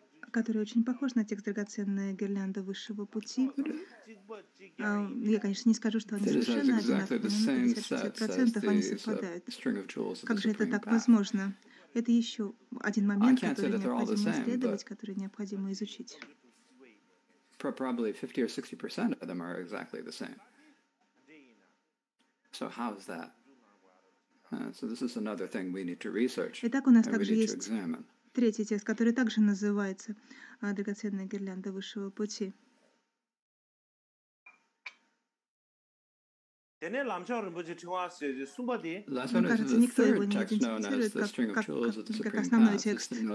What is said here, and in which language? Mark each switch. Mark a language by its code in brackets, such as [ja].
[ru] который очень похож на текст «Драгоценная гирлянда высшего пути». Я, конечно, не скажу, что они совершенно одинаковые, но 50% они совпадают. Как же это так возможно? Это еще один момент, который необходимо исследовать, который необходимо изучить. [en] Probably 50 or 60% of them are exactly the same. So how is that? So this is another thing we need to research. [ru] Итак, у нас также есть третий текст, который также называется «Драгоценная гирлянда высшего пути». Мне кажется, никто его не идентифицирует как основной текст.